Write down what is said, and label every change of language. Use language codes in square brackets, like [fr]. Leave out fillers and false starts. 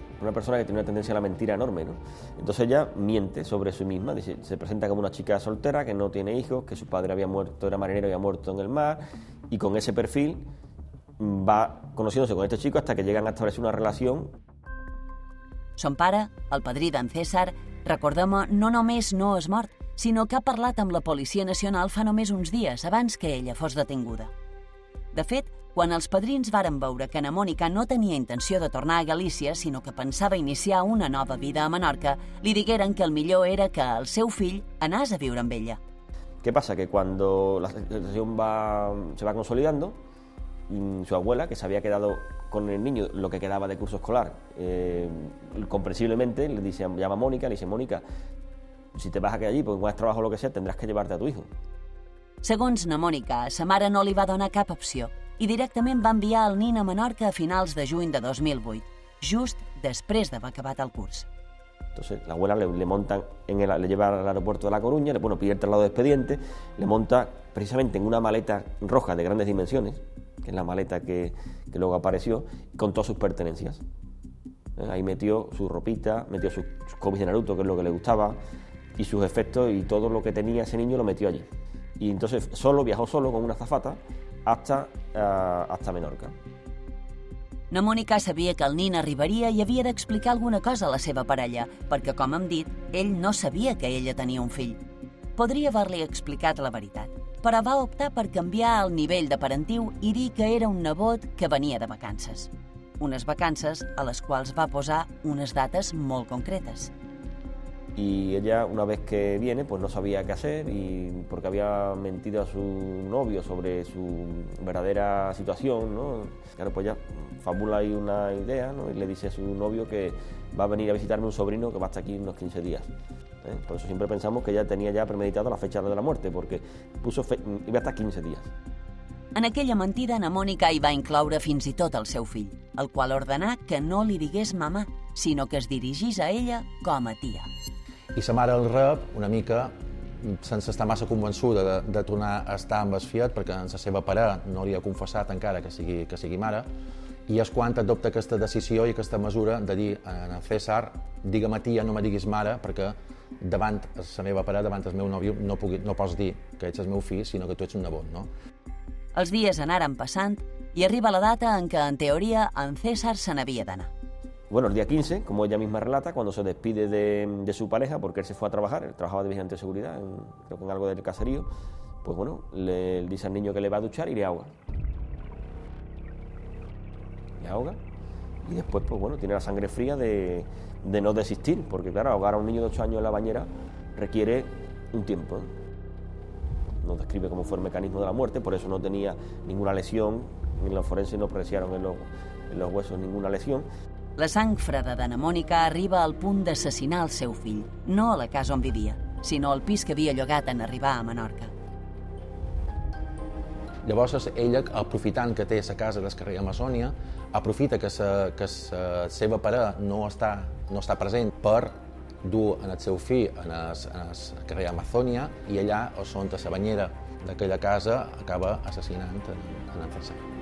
[es] Una persona que tiene una tendencia a la mentira enorme, ¿no? Entonces ella miente sobre sí misma, dice, se presenta como una chica soltera que no tiene hijos, que su padre había muerto, era marinero y había muerto en el mar, y con ese perfil va conociéndose con este chico hasta que llegan a establecer una relación. [ca] Son pare, el padrí d'en César, recordem, no només no és mort, sinó que ha parlat amb la Policia Nacional fa només uns dies abans que ella fos detinguda. De fet, quan els padrins varen veure que na Mònica no tenia intenció de tornar a Galícia, sinó que pensava iniciar una nova vida a Menorca, li digueren que el millor era que el seu fill anés a viure amb ella. Què passa? Que quan la situació [es] se va consolidando, su abuela, que se había quedado con el niño lo que quedaba de curso escolar, comprensiblemente le dice, llama a Mónica, le dice, Mónica, si te vas a quedar allí, pues con el trabajo o lo que sea, tendrás que llevarte a tu hijo. [ca] Segons na Mònica, sa mare no li va donar cap opció i directament va enviar el nin a Menorca a finals de juny de 2008, just després d'haver acabat el curs. [es] Entonces, la abuela le lleva al aeropuerto de La Coruña, le pide el traslado de expediente, le monta precisamente en una maleta roja de grandes dimensiones, que es la maleta que luego apareció, con todas sus pertenencias. Ahí metió su ropita, metió sus cómics de Naruto, que es lo que le gustaba, y sus efectos y todo lo que tenía ese niño lo metió allí. Y entonces solo viajó solo con una azafata hasta Menorca. [ca] Na Mònica sabia que el nin arribaria i havia d'explicar alguna cosa a la seva parella, perquè, com hem dit, ell no sabia que ella tenia un fill. Podria haver-li explicat la veritat, però va optar per canviar el nivell de parentiu i dir que era un nebot que venia de vacances. Unes vacances a les quals va posar unes dates molt concretes. [es] y ella, una vez que viene, pues no sabía qué hacer, y porque había mentido a su novio sobre su verdadera situación, ¿no? Claro, pues ella fabula ahí una idea, ¿no? Y le dice a su novio que va a venir a visitarme un sobrino que va a estar aquí unos 15 días. Por eso siempre pensamos que ella tenía ya premeditada la fecha de la muerte, porque puso iba a estar 15 días. [ca] En aquella mentida, na Mònica hi va incloure fins i tot el seu fill, el qual ordenà que no li digués mamà, sinó que es dirigís a ella com a tia. I sa mare el rep una mica sense estar massa convençuda de tornar a estar amb es fiat, perquè en sa seva pare no li ha confessat encara que sigui mare, i és quan adopta aquesta decisió i aquesta mesura de dir a César, digue'm a tia, no me diguis mare, perquè davant sa meva pare, davant el meu nòvio, no pots dir que ets el meu fill, sinó que tu ets un nebot, no? Els dies anaren passant i arriba la data en què, en teoria, en César se n'havia d'anar. [es] Bueno, el día 15, como ella misma relata, cuando se despide de su pareja, porque él se fue a trabajar, él trabajaba de vigilante de seguridad, creo que en algo del caserío, pues bueno, le dice al niño que le va a duchar y le ahoga. Le ahoga y después, pues bueno, tiene la sangre fría de no desistir, porque claro, ahogar a un niño de 8 años en la bañera requiere un tiempo, ¿eh? Nos describe cómo fue el mecanismo de la muerte, por eso no tenía ninguna lesión, ni los forenses no apreciaron en los huesos ninguna lesión. [ca] La sang freda d'Anna Mònica arriba al punt d'assassinar el seu fill, no a la casa on vivia, sinó al pis que havia llogat en arribar a Menorca. Llavors ella, aprofitant que té sa casa d'Escarrer Amazònia, aprofita que sa seva pare no està present per dur en el seu fill en el carrer Amazònia, i allà, o sota la banyera d'aquella casa, acaba assassinant en el César.